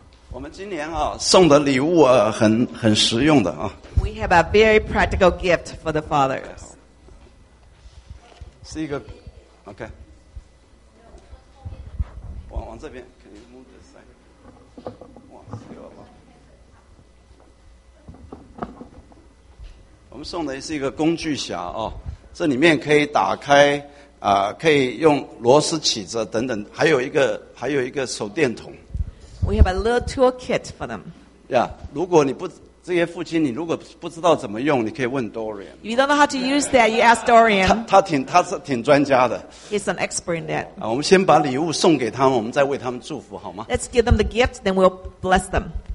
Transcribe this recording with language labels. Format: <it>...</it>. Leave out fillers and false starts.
<zh>我们今年送的礼物很实用的。</zh> <en>We have a very practical gift for the fathers.</en> <zh>是一个 OK 往这边可以摸着塞。我们送的是一个工具匣，这里面可以打开，可以用螺丝起着等等，还有一个手电筒。</zh> <en>We have a little tool kit for them.</en> <zh>Yeah, 如果你不这些父亲，你如果不知道怎么用，你可以问Dorian。</zh> <en>If you don't know how to use that, you ask Dorian.</en> <zh>他是挺专家的。</zh> <en>He's an expert in that.</en> <zh>我们先把礼物送给他们，我们再为他们祝福好吗？</zh> <en>Let's give them the gift, then we'll bless them.</en>